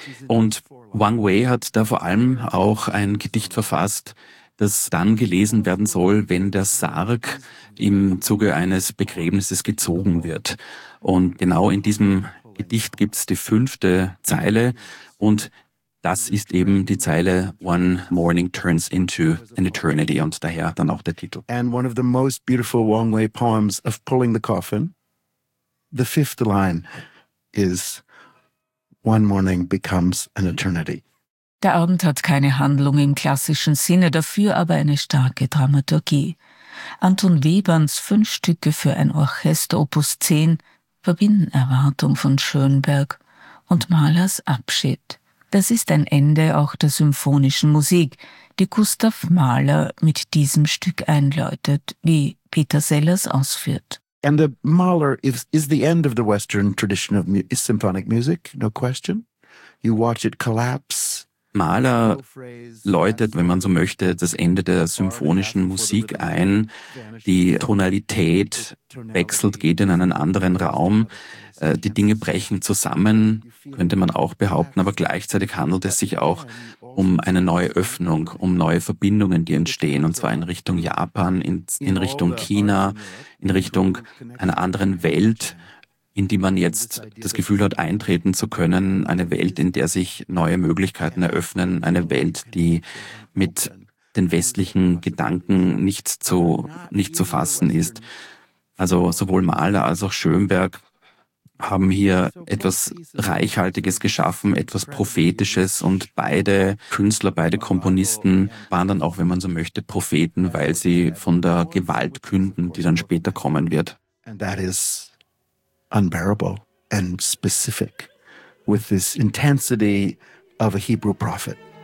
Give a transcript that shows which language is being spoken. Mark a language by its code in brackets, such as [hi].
[de] Und Wang Wei hat da vor allem auch ein Gedicht verfasst, das dann gelesen werden soll, wenn der Sarg im Zuge eines Begräbnisses gezogen wird. Und genau in diesem Gedicht gibt es die 5. Zeile und das ist eben die Zeile One Morning Turns into an Eternity und daher dann auch der Titel. [en] And one of the most beautiful Wang Wei poems of Pulling the Coffin, the 5th line is One Morning Becomes an Eternity. [de] Der Abend hat keine Handlung im klassischen Sinne, dafür aber eine starke Dramaturgie. Anton Weberns 5 Stücke für ein Orchester Opus 10 verbinden Erwartung von Schönberg und Mahlers Abschied. Das ist ein Ende auch der symphonischen Musik, die Gustav Mahler mit diesem Stück einläutet, wie Peter Sellers ausführt. [en] And the Mahler is the end of the Western tradition of symphonic music, no question. You watch it collapse. [de] Mahler läutet, wenn man so möchte, das Ende der symphonischen Musik ein. Die Tonalität wechselt, geht in einen anderen Raum. Die Dinge brechen zusammen, könnte man auch behaupten. Aber gleichzeitig handelt es sich auch um eine neue Öffnung, um neue Verbindungen, die entstehen. Und zwar in Richtung Japan, in Richtung China, in Richtung einer anderen Welt, in die man jetzt das Gefühl hat, eintreten zu können, eine Welt, in der sich neue Möglichkeiten eröffnen, eine Welt, die mit den westlichen Gedanken nicht zu fassen ist. Also sowohl Mahler als auch Schönberg haben hier etwas Reichhaltiges geschaffen, etwas Prophetisches und beide Künstler, beide Komponisten waren dann auch, wenn man so möchte, Propheten, weil sie von der Gewalt künden, die dann später kommen wird. [en] Unbearable and specific with this intensity of a Hebrew prophet.